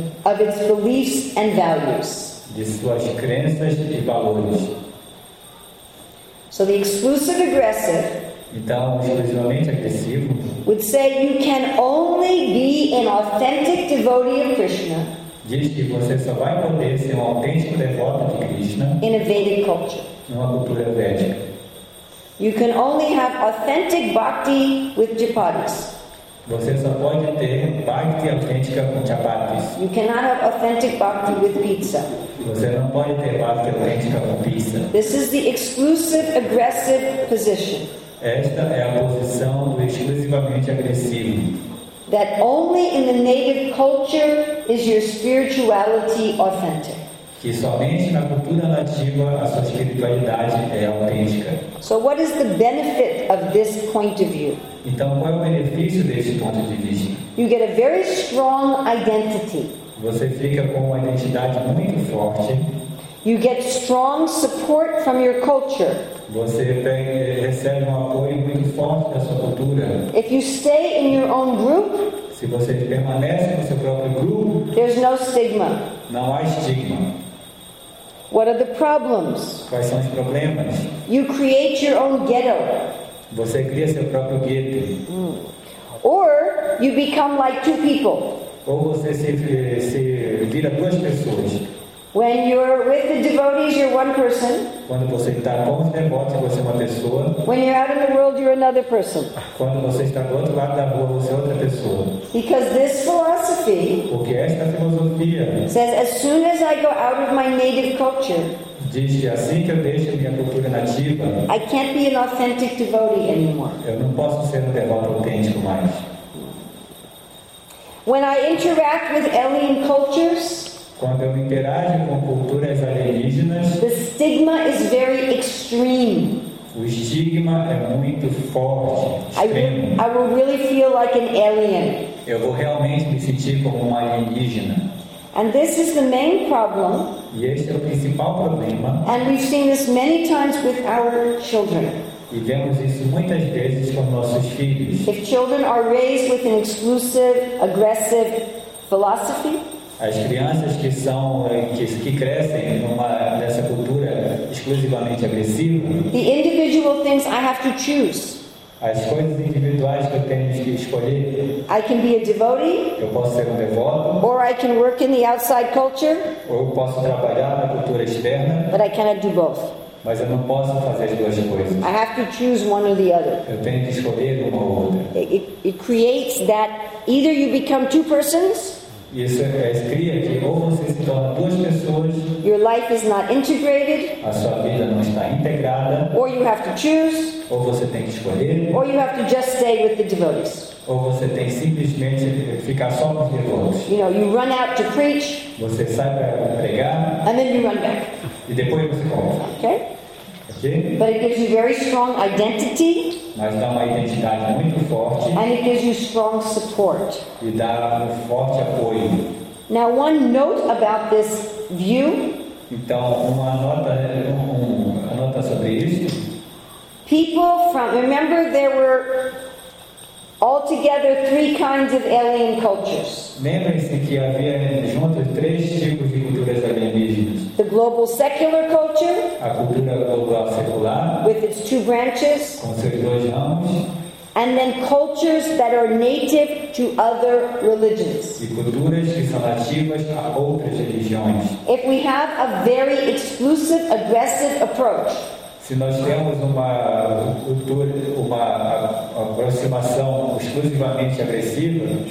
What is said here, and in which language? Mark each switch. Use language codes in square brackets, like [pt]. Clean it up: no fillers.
[en] of its beliefs and values [pt] de suas crenças e valores. [en] So the exclusive aggressive [pt] então, exclusivamente agressivo [en] would say you can only be an authentic devotee of Krishna [pt] diz que você só vai poder ser um autêntico devoto de Krishna [en] in a Vedic culture [pt] em uma cultura védica. [en] You can only have authentic bhakti with japatis. [pt] Você só pode ter bhakti autêntica com chapatis. [en] You cannot have authentic bhakti with pizza. [pt] Você não pode ter bhakti autêntica com pizza. [en] This is the exclusive aggressive position. [pt] Esta é a posição do exclusivamente agressivo. [en] That only in the native culture is your spirituality authentic. [pt] Que somente na cultura nativa a sua espiritualidade é autêntica. [en] So what is the benefit of this point of view? [pt] Então, qual é o benefício desse ponto de vista? [en] You get a very strong identity. [pt] Você fica com uma identidade muito forte. [en] You get strong support from your culture. [pt] Você recebe apoio muito forte da sua cultura. [en] If you stay in your own group, [pt] se você permanece no seu próprio grupo, [en] there's no stigma. [pt] Não há estigma. [en] What are the problems? [pt] Quais são os problemas? [en] You create your own ghetto. [pt] Você cria seu próprio gueto. [en] Or you become like two people. [pt] Ou você se vira duas pessoas. [en] When you're with the devotees, you're one person. [pt] Quando você está com os devotos, você é uma pessoa. [en] When you're out in the world, you're another person. [pt] Quando você está do outro lado da rua, você é outra pessoa. [en] Because this philosophy [pt] porque esta filosofia [en] says, as soon as I go out of my native culture, [pt] diz que assim que eu deixo a minha cultura nativa, [en] I can't be an authentic devotee anymore. [pt] Eu não posso ser um devoto autêntico mais. [en] When I interact with alien cultures, [pt] quando eu interajo com culturas alienígenas, [en] the stigma is very extreme. [pt] O estigma é muito forte, extremo. [en] I will really feel like an alien. [pt] Eu vou realmente me sentir como um alienígena. [en] And this is the main problem. [pt] E esse é o principal problema. [en] And we've seen this many times with our children. [pt] E vemos isso muitas vezes com nossos filhos. [en] If children are raised with an exclusive, aggressive philosophy, [pt] as crianças que são que crescem nessa cultura exclusivamente agressiva, [en] the individual things I have to choose. [pt] As coisas individuais que eu tenho que escolher. [en] I can be a devotee, [pt] eu posso ser um devoto. [en] Or I can work in the outside culture, [pt] ou eu posso trabalhar na cultura externa. [en] But I cannot do both. [pt] Mas eu não posso fazer as duas coisas. [en] I have to choose one or the other. [pt] Eu tenho que escolher uma ou outra. [en] It creates that either you become two persons. [pt] Isso cria que ou você se torna duas pessoas. [en] Your life is not integrated. [pt] A sua vida não está integrada. [en] Or you have to choose. [pt] Ou você tem que escolher. [en] Or you have to just stay with the devotees. [pt] Ou você tem simplesmente ficar só com os devotos. [en] You know, you run out to preach. [pt] Você sai para pregar. [en] And then you run back. [pt] E depois você volta. [en] Okay? [pt] Okay? [en] But it gives you very strong identity. [pt] Mas dá uma identidade muito forte. [en] And it gives you strong support. [pt] E dá um forte apoio. [en] Now, one note about this view. [pt] Então, uma nota sobre isso. [en] People from, remember there were altogether three kinds of alien cultures. [pt] Lembrem-se que havia juntos três tipos de culturas alienígenas. [en] The global secular culture. [pt] A cultura global secular. [en] With its two branches. [pt] Com seus dois ramos. [en] And then cultures that are native to other religions. [pt] E culturas que são nativas a outras religiões. [en] If we have a very exclusive, aggressive approach. [pt] Se nós temos uma cultura, uma aproximação exclusivamente agressiva.